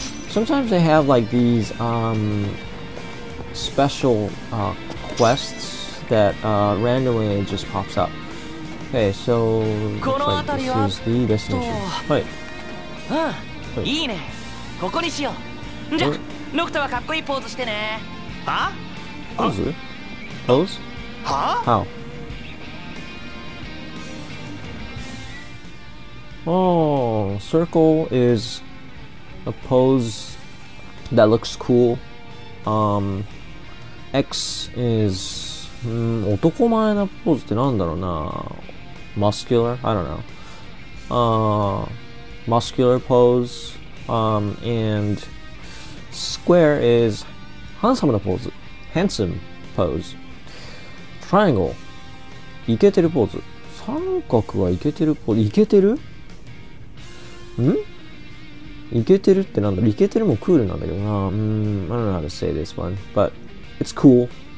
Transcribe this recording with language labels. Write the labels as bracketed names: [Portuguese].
[English] Sometimes they have like these special quests that randomly just pops up. Okay, so looks like this is the destination. [Japanese] はい。うん、いいね。ここにしよう。じゃ、ノクトはかっこいいポーズしてね。は？ポーズ？ポーズ？は？ [English] How？ Oh, circle is a pose that looks cool. X is、 [Japanese] 男前なポーズってなんだろうな。Muscular? [English] I don't know. Muscular pose. And square is handsome なポーズ。 Handsome pose. Triangle. [Japanese] イケてるポーズ。三角はイケてるポーズ。イケてる？ん？イケてるってなんだろう。イケてるもクールなんだけどな。 [English] I don't know how to say this one, butIt's cool.